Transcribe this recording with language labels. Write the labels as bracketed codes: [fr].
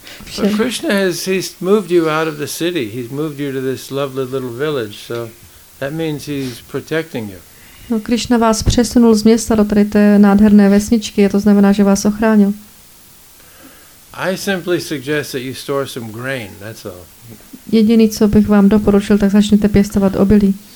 [en] So Krishna he's moved you out of the city. He's moved you to this lovely little village. So that means he's protecting you. [cs] No, Krishna vás přesunul z města do tady té nádherné vesničky. To znamená, že vás ochránil. [en] I simply suggest that you store some grain. That's all. [cs] Jediné, co bych vám doporučil, tak začněte pěstovat obilí.